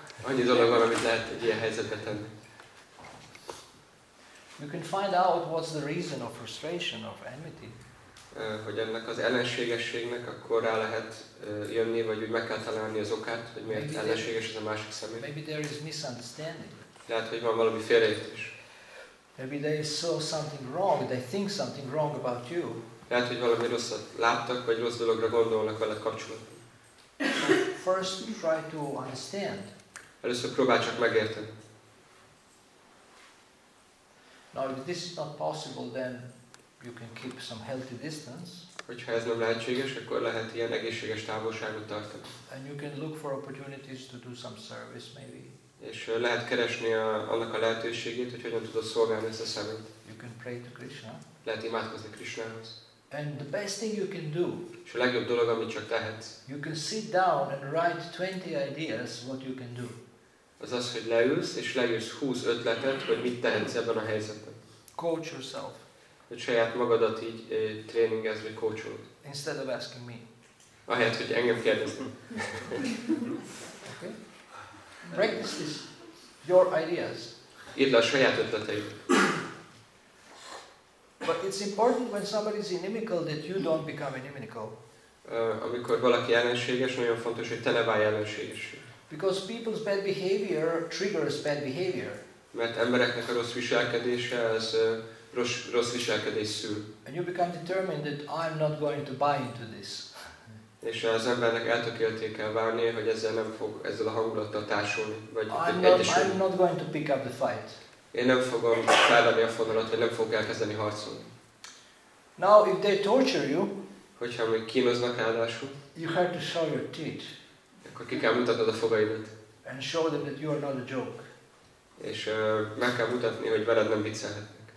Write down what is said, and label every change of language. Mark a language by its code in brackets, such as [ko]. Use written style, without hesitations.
[hu] Annyi dolog van, amit lehet egy ilyen helyzetben tenni. [en] You can find out what's the reason of frustration, of enmity. [hu] Hogy ennek az ellenségességnek akkor rá lehet jönni, vagy úgy meg kell találni az okát, hogy miért [en] maybe [hu] ellenséges ez a másik személy. [en] Maybe there is misunderstanding. [hu] Lehet, hogy van valami félreértés. [en] Maybe they saw something wrong, they think something wrong about you. [hu] Lehet, hogy valami rosszat láttak, vagy rossz dologra gondolnak veled kapcsolatban. [en] First try to understand. [hu] Először próbál csak megérteni. [en] Now, if this is not possible, then you can keep some healthy distance. [hu] Hogyha ez nem lehetséges, akkor lehet ilyen egészséges távolságot tartani. [en] And you can look for opportunities to do some service, maybe. [hu] És lehet keresni annak a lehetőségét, hogy hogyan tudod szolgálni ezt a szemét. [en] You can pray to Krishna. [hu] Lehet imádkozni Krishnához. [en] And the best thing you can do. [hu] És a legjobb dolog, amit csak tehetsz. [en] You can sit down and write 20 ideas what you can do. [hu] Az, hogy leülsz, és leírsz 20 ötletet, hogy mit tehetsz ebben a helyzetben. [en] Coach yourself. [hu] Hogy saját magadat így tréningezve coacholod. [en] Instead of asking me. [hu] Ahelyett, hogy engem kérdeznél. [en] Okay. Practice this. Your ideas. [hu] Írd le a saját ötleteid. [en] But it's important when somebody is inimical that you don't become inimical. [hu] Amikor valaki ellenséges, nagyon fontos, hogy te ne válj ellenséges. [en] Because people's bad behavior triggers bad behavior. [hu] Mert embereknek a rossz viselkedése az rossz viselkedés szül. [en] And you become determined that I'm not going to buy into this. [hu] És az embernek eltökélté kell várnia, hogy ezzel nem fog ezzel a hangulattal társulni, vagy egyesülni. [en] I'm not going to pick up the fight. [hu] Én nem fogom felvenni a fonalat, vagy nem fogok elkezdeni harcolni. [en] Now if they torture you, [hu] hogyha még kínoznak ráadásul, [en] you have to show your teeth. [hu] Akkor ki kell mutatnod a fogaidat. [en] And show them that you are not a joke. [hu] És meg kell mutatni, hogy veled nem viccelhetnek.